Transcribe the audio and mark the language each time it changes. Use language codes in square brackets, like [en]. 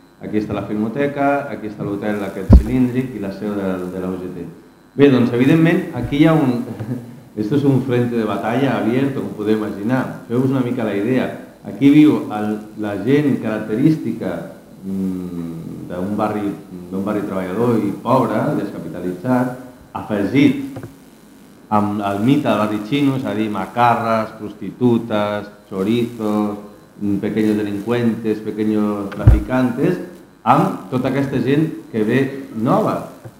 [ca] Aquí està la filmoteca, aquí està l'hotel aquest cilíndric i la seu de la UGT. Bé, doncs evidentment aquí hi ha un... [es] Esto es un frente de batalla abierto, [ca] com podeu imaginar. Feu-vos una mica la idea. Aquí viu la gent característica d'un barri treballador i pobre, descapitalitzat, afegit amb el mite del barri xino, és a dir, macarres, prostitutes, [es] chorizos, pequeños delincuentes, pequeños traficantes, [ca] amb tota aquesta gent que ve nova.